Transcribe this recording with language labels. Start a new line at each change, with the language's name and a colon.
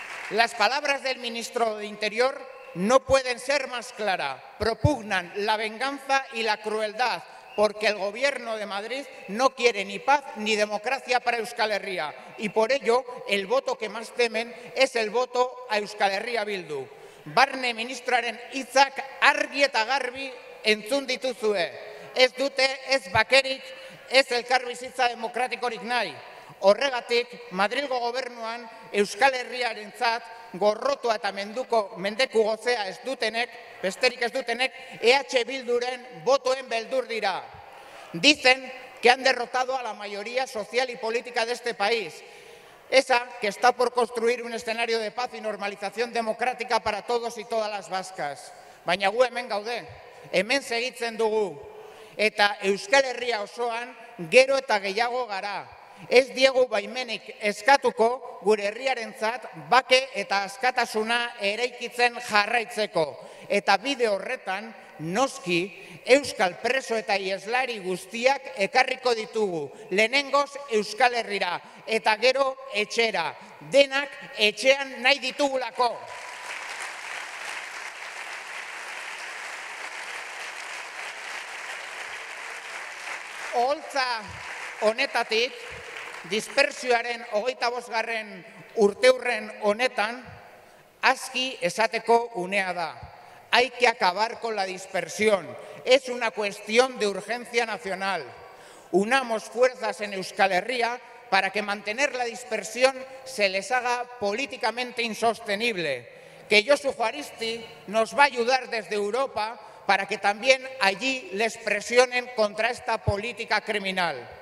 Spanish: Las palabras del ministro de Interior no pueden ser más claras. Propugnan la venganza y la crueldad, porque el Gobierno de Madrid no quiere ni paz ni democracia para Euskal Herria. Y por ello, el voto que más temen es el voto a Euskal Herria Bildu.
Basque: Barne ministroaren hitzak argi eta garbi entzun dituzue. Ez dute, ez bakerik, ez elkarbizitza demokratikorik nahi. Horregatik, Madrilgo gobernuan Euskal Herriarentzat gorrotua eta mendeku gozea ez dutenek, besterik ez dutenek, EH Bilduren botoen beldur dira. Dicen que han derrotado a la mayoría social y política de este país, esa que está por construir un escenario de paz y normalización democrática para todos y todas las vascas. Baina gu hemen gaude, hemen segitzen dugu, eta Euskal Herria osoan gero eta gehiago gara. Ez diegu baimenik eskatuko gure herriarentzat bake eta askatasuna eraikitzen jarraitzeko. Eta bide horretan, noski, euskal preso eta ieslari guztiak ekarriko ditugu. Lehenengoz Euskal Herrira eta gero etxera. Denak etxean nahi ditugulako. Oholtza honetatik, dispersioaren 25. Urteurren honetan, aski esateko unea da.
Spanish: Hay que acabar con la dispersión. Es una cuestión de urgencia nacional. Unamos fuerzas en Euskal Herria para que mantener la dispersión se les haga políticamente insostenible. Que Josu Juaristi nos va a ayudar desde Europa para que también allí les presionen contra esta política criminal.